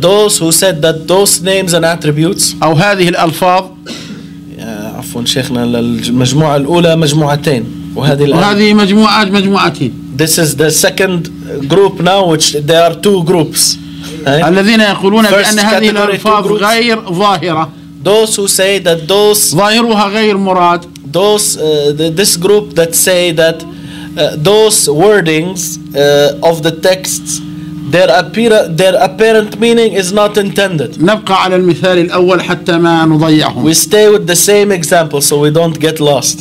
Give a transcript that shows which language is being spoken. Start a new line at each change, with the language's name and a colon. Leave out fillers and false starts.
English: those who said that those names and attributes,
Arabic: أو هذه الألفاظ, عفوا شيخنا, المجموعة الأولى مجموعتين وهذه وهذه مجموعات مجموعتين.
English: This is the second group now, which there are two groups.
Arabic: الذين يقولون بأن هذه الألفاظ غير ظاهرة.
English: Those who say that those
Arabic: ظاهرها غير مراد.
English: This group that say that those wordings of the texts, their apparent meaning is not intended.
Arabic: نبقى على المثال الأول حتى ما نضيعهم.
English: We stay with the same example so we don't get lost.